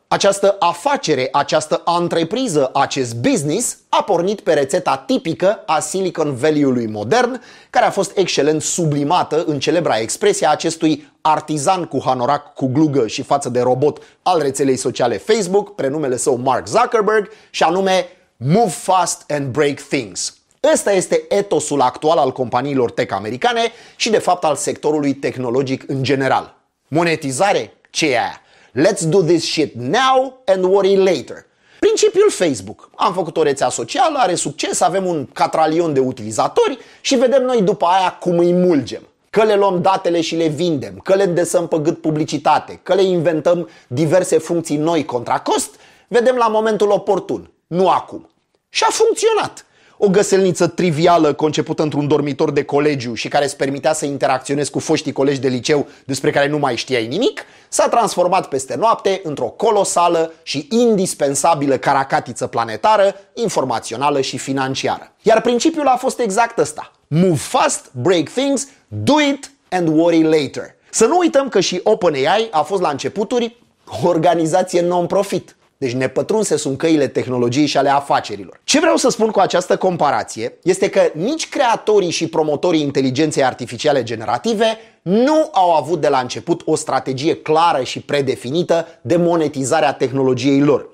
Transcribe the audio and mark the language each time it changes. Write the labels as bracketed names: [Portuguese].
[Romanian] Această afacere, această antrepriză, acest business a pornit pe rețeta tipică a Silicon Valley-ului modern, care a fost excelent sublimată în celebra expresie a acestui artizan cu hanorac cu glugă și față de robot al rețelei sociale Facebook, prenumele său Mark Zuckerberg, și anume [English] Move Fast and Break Things. [Romanian] Ăsta este etosul actual al companiilor tech americane și de fapt al sectorului tehnologic în general. Monetizare? Ce e aia? [English] Let's do this shit now and worry later. [Romanian] Principiul Facebook. Am făcut o rețea socială, are succes, avem un catralion de utilizatori și vedem noi după aia cum îi mulgem. Că le luăm datele și le vindem, că le îndesăm pe gât publicitate, că le inventăm diverse funcții noi contra cost, vedem la momentul oportun, nu acum. Și a funcționat. O găselniță trivială concepută într-un dormitor de colegiu și care îți permitea să interacționezi cu foștii colegi de liceu despre care nu mai știai nimic, s-a transformat peste noapte într-o colosală și indispensabilă caracatiță planetară, informațională și financiară. Iar principiul a fost exact ăsta. [English] Move fast, break things, do it and worry later. [Romanian] Să nu uităm că și OpenAI a fost la începuturi o organizație non-profit. Deci nepătrunse sunt căile tehnologiei și ale afacerilor. Ce vreau să spun cu această comparație este că nici creatorii și promotorii inteligenței artificiale generative nu au avut de la început o strategie clară și predefinită de monetizarea tehnologiei lor.